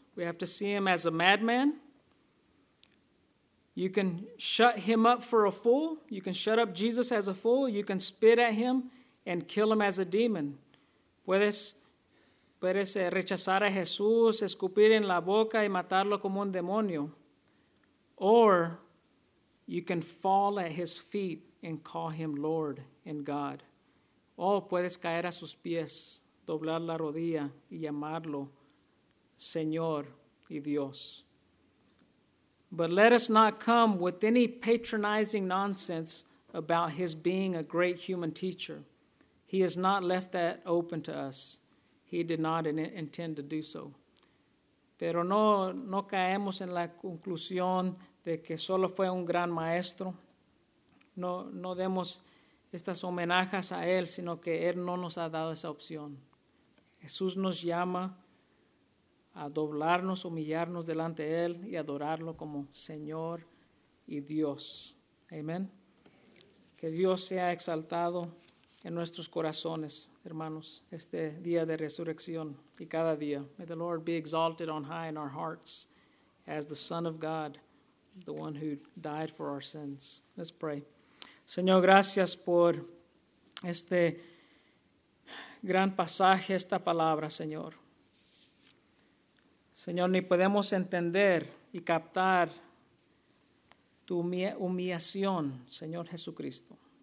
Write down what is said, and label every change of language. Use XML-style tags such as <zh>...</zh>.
<en>We have to see him as a madman. You can shut him up for a fool. You can shut up Jesus as a fool. You can spit at him and kill him as a demon.</en> <es>Puedes rechazar a Jesús, escupir en la boca y matarlo como un demonio.</es> <en>Or you can fall at his feet and call him Lord and God.</en> <es>O puedes caer a sus pies, doblar la rodilla y llamarlo Señor y Dios.</es> <en>But let us not come with any patronizing nonsense about his being a great human teacher. He has not left that open to us. He did not intend to do so.</en> <es>Pero no caemos en la conclusión de que solo fue un gran maestro. No demos estas homenajes a él, sino que él no nos ha dado esa opción. Jesús nos llama a doblarnos, humillarnos delante de él y adorarlo como Señor y Dios. Amén. Que Dios sea exaltado en nuestros corazones, hermanos, este día de resurrección y cada día.</es> <en>May the Lord be exalted on high in our hearts as the Son of God, the one who died for our sins. Let's pray.</en> <es>Señor, gracias por este gran pasaje, esta palabra, Señor. Señor, ni podemos entender y captar tu humillación, Señor Jesucristo.</es>